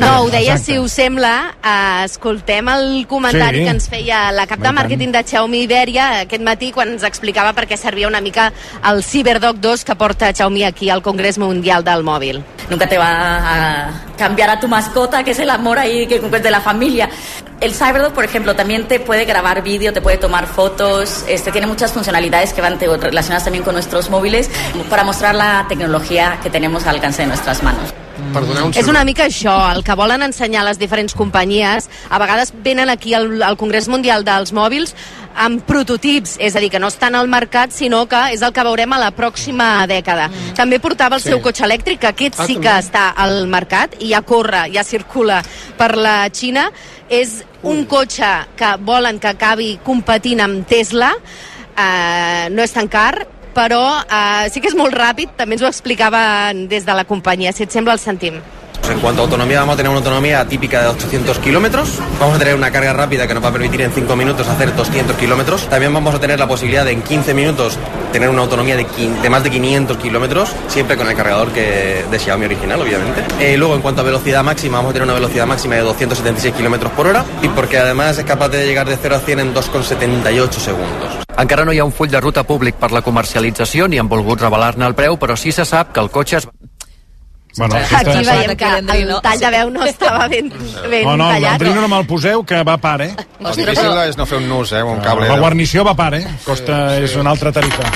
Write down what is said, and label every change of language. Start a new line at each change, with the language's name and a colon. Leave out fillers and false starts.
Catalan: No, ho deia, si us sembla, escoltem el comentari que ens feia la cap de màrqueting de Xiaomi Iberia aquest matí quan ens explicava per què servia una mica el CyberDog 2 que porta Xiaomi aquí al Congrés Mundial del Mòbil.
Spanish: Nunca te va a cambiar a tu mascota, que es el amor ahí que cumples de la familia. El CyberDog, por ejemplo, también te puede grabar vídeo, te puede tomar fotos, tiene muchas funcionalidades que van relacionadas también con nuestros móviles para mostrar la tecnología que tenemos al alcance de nuestras manos.
Catalan: És una mica això, el que volen ensenyar les diferents companyies. A vegades venen aquí al Congrés Mundial dels Mòbils amb prototips, és a dir, que no estan al mercat, sinó que és el que veurem a la pròxima dècada. També portava el seu cotxe elèctric, aquest sí que està al mercat i ja corre, ja circula per la Xina. És un cotxe que volen que acabi competint amb Tesla, no és tan car, però sí que és molt ràpid, també ens ho explicaven des de la companyia. Si et sembla, el sentim.
Spanish: En cuanto a autonomía, vamos a tener una autonomía típica de 800 kilómetros. Vamos a tener una carga rápida que nos va a permitir en 5 minutos hacer 200 kilómetros. También vamos a tener la posibilidad de en 15 minutos tener una autonomía de más de 500 kilómetros, siempre con el cargador que de Xiaomi original, obviamente. Luego, en cuanto a velocidad máxima, vamos a tener una velocidad máxima de 276 kilómetros por hora, y porque además es capaz de llegar de 0 a 100 en 2,78 segundos.
Catalan: Encara no hi ha un full de ruta públic per la comercialització, ni han volgut revelar-ne el preu, però sí se sap que el cotxe es... Bueno, aquí veiem que el tall de veu no estava ben tallat. No, l'Andrino no me'l poseu, que va par, El difícil és no fer un nus, un cable. La guarnició va par, Costa és una altra tarifa.